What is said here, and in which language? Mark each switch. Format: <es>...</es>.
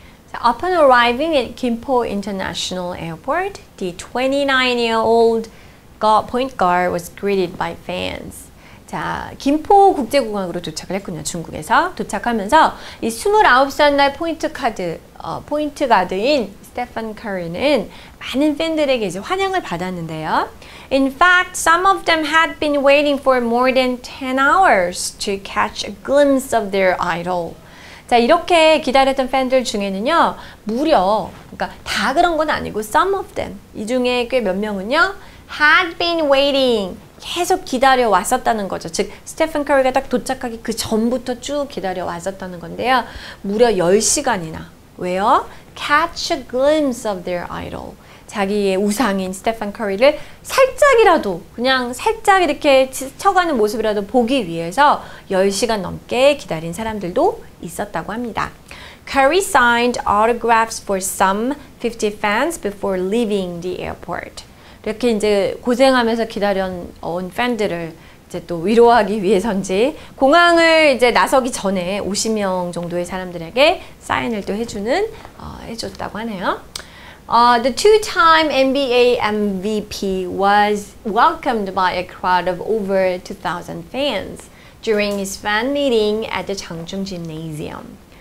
<en>So, upon arriving at Gimpo International Airport, the 29-year-old point guard was greeted by fans.</en> <ko>자, 김포 국제공항으로 도착을 했군요. 중국에서 도착하면서 이 29살 날 포인트 가드인 스테판 커리는 많은 팬들에게 이제 환영을 받았는데요.</ko> <en>In fact, some of them had been waiting for more than 10 hours to catch a glimpse of their idol.</en> <ko>자, 이렇게 기다렸던 팬들 중에는요, 무려, 그러니까 다 그런 건 아니고</ko> <en>some of them,</en> <ko>이 중에 꽤 몇 명은요,</ko> <en>had been waiting,</en> <ko>계속 기다려 왔었다는 거죠. 즉, 스테판 커리가 딱 도착하기 그 전부터 쭉 기다려 왔었다는 건데요. 무려 10시간이나. 왜요?</ko> <en>Catch a glimpse of their idol.</en> <ko>자기의 우상인 스테판 커리를 살짝이라도, 그냥 살짝 이렇게 쳐가는 모습이라도 보기 위해서 10시간 넘게 기다린 사람들도 있었다고 합니다.</ko> <en>Curry signed autographs for some 50 fans before leaving the airport.</en> <ko>이렇게 이제 고생하면서 기다려온 팬들을 이제 또 위로하기 위해서인지 공항을 이제 나서기 전에 50명 정도의 사람들에게 사인을 또 해주는 해줬다고 하네요.</ko> <en>The two-time NBA MVP was welcomed by a crowd of over 2,000 fans during his fan meeting at the Changchung Gymnasium.</en>